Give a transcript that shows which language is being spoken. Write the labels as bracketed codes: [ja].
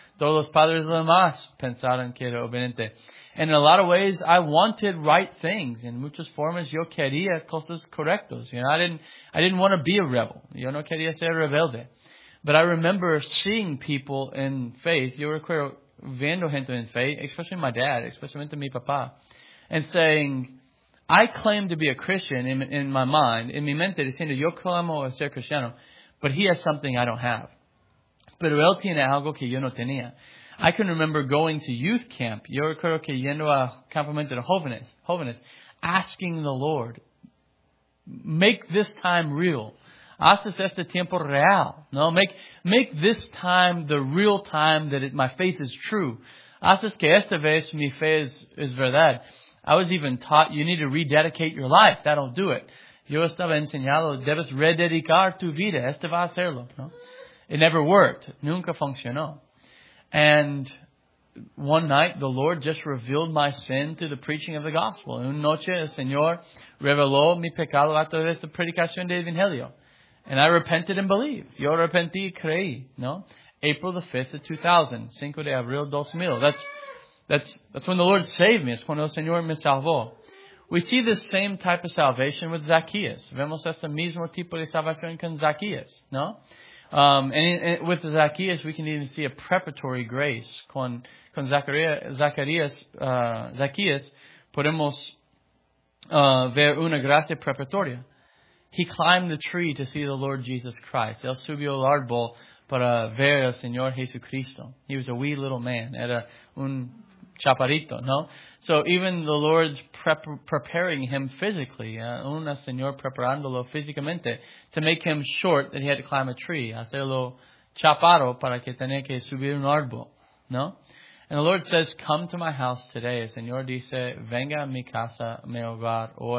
[es] Todos los padres de más pensaron que era obediente. [en] And in a lot of ways, I wanted right things. [es] En muchas formas, yo quería cosas correctas. [en] You know, I didn't want to be a rebel. [es] Yo no quería ser rebelde. [en] But I remember seeing people in faith. [es] Yo recuerdo viendo gente en [en] faith, especially my dad, especially [es] mi papá, [en] and saying, I claim to be a Christian in my mind, in [es] mi mente, diciendo, yo clamo a ser cristiano, [en] but he has something I don't have. [es] Pero él tiene algo que yo no tenía. [en] I can remember going to youth camp, [es] yo recuerdo que yendo a campamento de jóvenes, [en] asking the Lord, make this time real. [es] Haces este tiempo real. [en] No, make this time the real time that my faith is true. [es] Haces que esta vez mi fe es verdad. [en] I was even taught, you need to rededicate your life. That'll do it. [es] Yo estaba enseñado, debes rededicar tu vida. Este va a hacerlo. No? [en] It never worked. [es] Nunca funcionó. [en] And one night, the Lord just revealed my sin through the preaching of the gospel. [es] Una noche, el Señor reveló mi pecado a través de la predicación del Evangelio. [en] And I repented and believed. [es] Yo arrepentí y creí. No? [en] April the 5th of 2000. [es] Cinco de abril 2000. [en] That's when the Lord saved me. [es] Es cuando el Señor me salvó. [en] We see the same type of salvation with Zacchaeus. [es] Vemos este mismo tipo de salvación con Zacchaeus, no? [en] And with Zacchaeus, we can even see a preparatory grace. [es] Con Zacchaeus, podemos ver una gracia preparatoria. [en] He climbed the tree to see the Lord Jesus Christ. [es] Él subió al árbol para ver al Señor Jesucristo. [en] He was a wee little man. [es] Era un chaparito, no? [en] So even the Lord's preparing him physically, [es] un Señor preparándolo físicamente, [en] to make him short, that he had to climb a tree, [es] hacerlo chaparro para que tenía que subir un árbol, no? [en] And the Lord says, come to my house today. [es] El Señor dice, venga a mi casa, mi hogar hoy.